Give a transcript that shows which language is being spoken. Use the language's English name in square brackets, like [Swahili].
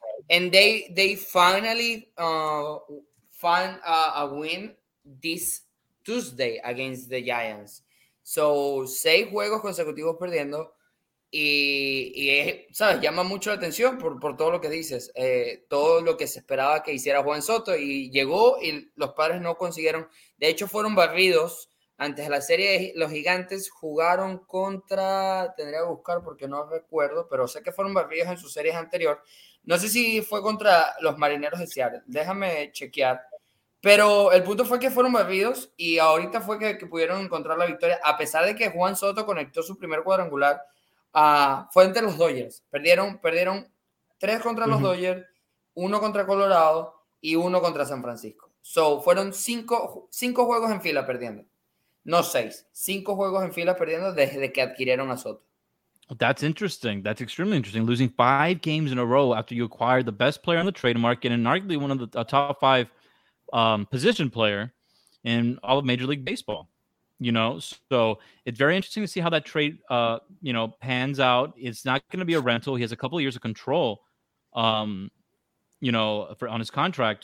[English] And they finally find a win this Tuesday against the Giants. [Spanish] So, 6 juegos consecutivos perdiendo. Y ¿sabes? Llama mucho la atención por todo lo que dices. Todo lo que se esperaba que hiciera Juan Soto. Y llegó y los Padres no consiguieron. De hecho, fueron barridos antes de la serie. Los Gigantes jugaron contra... Tendría que buscar porque no recuerdo. Pero sé que fueron barridos en sus series anteriores. No sé si fue contra los Marineros de Seattle. Déjame chequear. Pero el punto fue que fueron barridos y ahorita fue que pudieron encontrar la victoria. A pesar de que Juan Soto conectó su primer cuadrangular, fue entre los Dodgers. Perdieron 3 contra los Dodgers, 1 contra Colorado y 1 contra San Francisco. So, fueron 5 juegos en fila perdiendo. No 6, 5 juegos en fila perdiendo desde que adquirieron a Soto. [English] That's interesting. That's extremely interesting. Losing 5 games in a row after you acquired the best player on the trade market and arguably one of the top 5 position player in all of Major League Baseball, you know? So it's very interesting to see how that trade, you know, pans out. It's not going to be a rental. He has a couple of years of control, you know, on his contract.